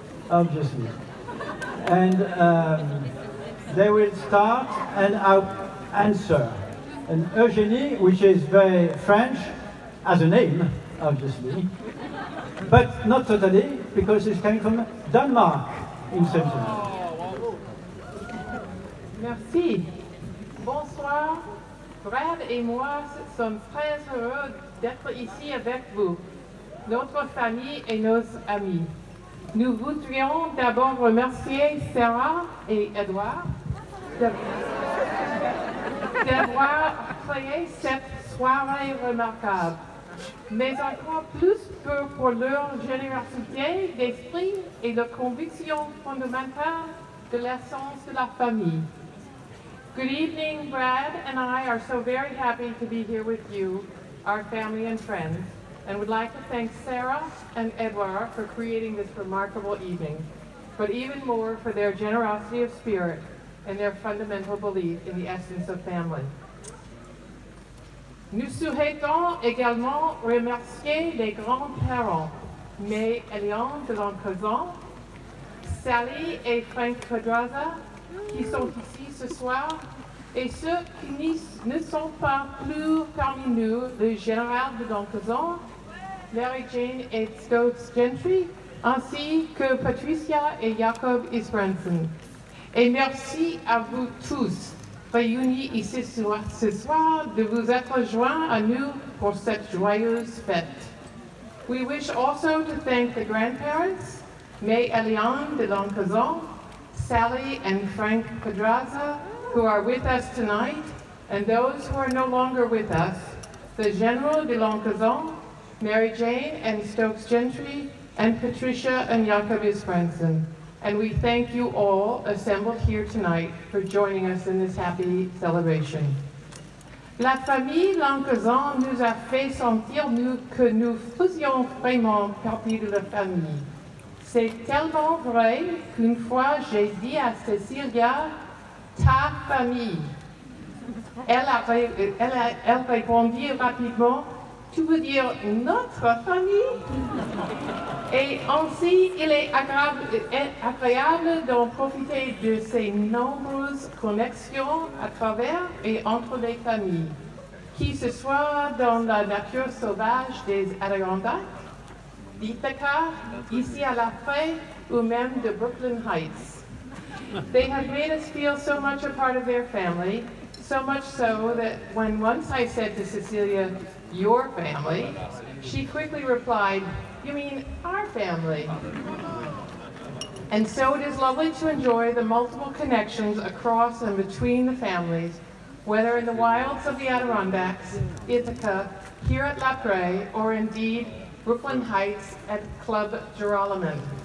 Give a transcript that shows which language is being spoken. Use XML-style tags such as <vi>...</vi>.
<en>Obviously. And they will start and I'll answer. And Eugénie, which is very French as a name, obviously, but not totally, because it's coming from Denmark in some sense.</en> <fr>Merci. Bonsoir. Brad et moi sommes très heureux d'être ici avec vous, notre famille et nos amis. Nous voudrions d'abord remercier Sarah et Edouard d'avoir créé cette soirée remarquable, mais encore plus pour leur générosité d'esprit et leur conviction fondamentale de l'essence de la famille.</fr> <en>Good evening, Brad and I are so very happy to be here with you, our family and friends, and would like to thank Sarah and Edouard for creating this remarkable evening, but even more for their generosity of spirit and their fundamental belief in the essence of family.</en> <fr>Nous souhaitons également remercier les grands-parents, May et Léon de Lencquesaing, Sally et Frank Pedraza, qui sont ici ce soir, et ceux qui ne sont pas plus parmi nous, le général de Lencquesaing, Larry Jane et Stokes Gentry, ainsi que Patricia et Jacob Isbrandsen. Et merci à vous tous, réunis ici ce soir, de vous être joints à nous pour cette joyeuse fête.</fr> <en>We wish also to thank the grandparents, May et Léon de Lencquesaing, Sally and Frank Pedraza, who are with us tonight, and those who are no longer with us, the General de Lencquesaing, Mary Jane and Stokes Gentry, and Patricia and Jacob Isbrandsen. And we thank you all assembled here tonight for joining us in this happy celebration.</en> <fr>La famille Lencquesaing nous a fait sentir nous que nous faisions vraiment partie de la famille. C'est tellement vrai qu'une fois j'ai dit à Cecilia, ta famille. Elle répondit rapidement, tu veux dire notre famille? Et ainsi, il est agréable d'en profiter de ces nombreuses connexions à travers et entre les familles, qui ce soit dans la nature sauvage des Adirondacks, d'Ithaca, ici à Lapree, ou même de Brooklyn Heights.</fr> <en>They have made us feel so much a part of their family, so much so that when once I said to Cecilia, your family, she quickly replied, you mean our family. And so it is lovely to enjoy the multiple connections across and between the families, whether in the wilds of the Adirondacks, Ithaca, here at Lapree, or indeed Brooklyn Heights at Club Girolamin.</en>